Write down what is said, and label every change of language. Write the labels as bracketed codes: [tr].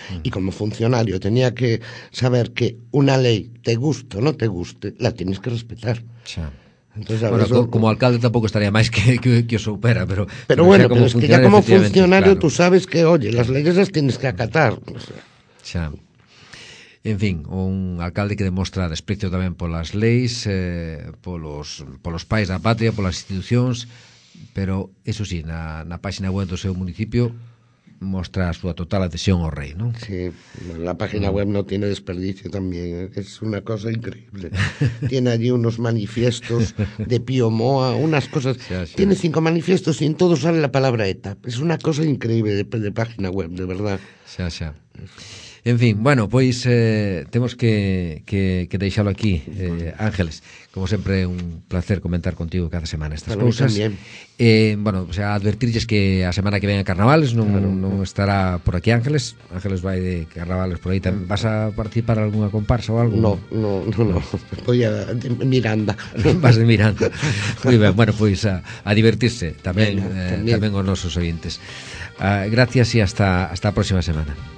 [es] Y como funcionario tenía que saber que una ley, te guste o no te guste, la tienes que respetar. Entonces, a bueno, eso, como alcalde tampoco estaría más que os opera, pero... Pero no bueno, pero es que ya como funcionario, claro, tú sabes que, oye, las leyes las tienes que acatar. O sea. [gl] Xa. En fin, un alcalde que demostra desprecio tamén polas leis, polos pais da patria, polas institucións, pero, eso sí, na páxina web do seu municipio mostra a súa total adhesión ao rei, non? Sí, na páxina web non tiene desperdicio tamén, é unha cosa increíble. [es] Tiene allí unos manifiestos de Pío Moa, unas cosas... Xa. [gl] Tiene 5 manifiestos e en todos sale a palabra ETA. É unha cosa increíble de páxina web, de verdad. Xa. En fin, bueno, pois temos que deixalo aquí, Ángeles. Como sempre, un placer comentar contigo cada semana estas cousas. Bueno, o sea, advertirles que a semana que ven a Carnavales non estará por aquí Ángeles. Ángeles vai de Carnavales por aí. [es] ¿Vas a participar alguna comparsa o algo? No. Voy a de Miranda. Vas de Miranda. [gl] Muy ben, bueno, pois a divertirse tamén, tamén os nosos ointes. [es] Gracias e hasta a próxima semana.